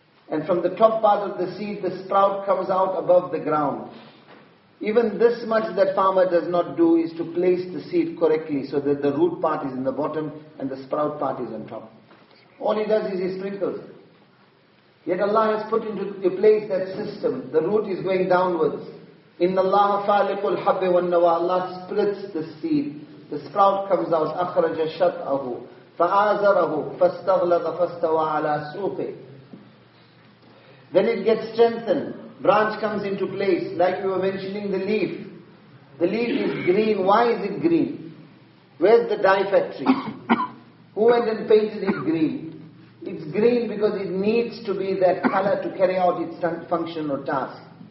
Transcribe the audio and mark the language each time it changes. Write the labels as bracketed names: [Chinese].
[English] And from the top part of the seed, the sprout comes out above the ground. Even this much that farmer does not do is to place the seed correctly so that the root part is in the bottom and the sprout part is on top. All he does is he sprinkles. Yet Allah has put into place that system. The root is going downwards. [Arabic] إِنَّ اللَّهَ فَالِقُ الْحَبِّ وَالنَّوَى [English] Allah splits the seed. The sprout comes out. [Arabic] أَخْرَجَ شَطْأَهُ فَآزَرَهُ فَاسْتَغْلَظَ فَاسْتَوَى عَلَى سُوقِهِ [English] Then it gets strengthened. Branch comes into place. Like we were mentioning, the leaf. The leaf is green. Why is it green? Where's the dye factory? Who went and painted it green? It's green because it needs to be that color to carry out its function or task.